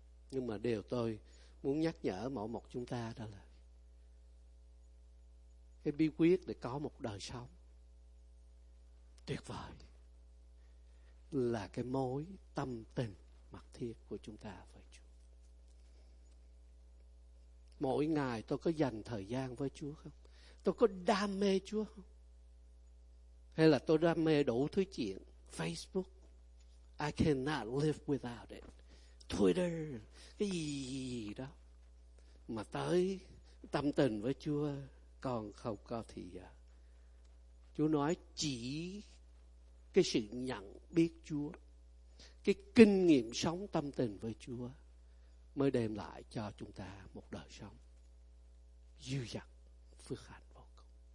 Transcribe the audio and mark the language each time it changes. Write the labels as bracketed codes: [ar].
[vi] Nhưng mà điều tôi muốn nhắc nhở mỗi một chúng ta đó là cái bí quyết để có một đời sống tuyệt vời là cái mối tâm tình mật thiết của chúng ta với Chúa. Mỗi ngày tôi có dành thời gian với Chúa không? Tôi có đam mê Chúa không? Hay là tôi đam mê đủ thứ chuyện? [en] Facebook, I cannot live without it. [vi] Twitter, cái gì đó. Mà tới tâm tình với Chúa còn không có thì giờ. Chúa nói chỉ cái sự nhận biết Chúa, cái kinh nghiệm sống tâm tình với Chúa mới đem lại cho chúng ta một đời sống dư dật, phước hạnh vô cùng.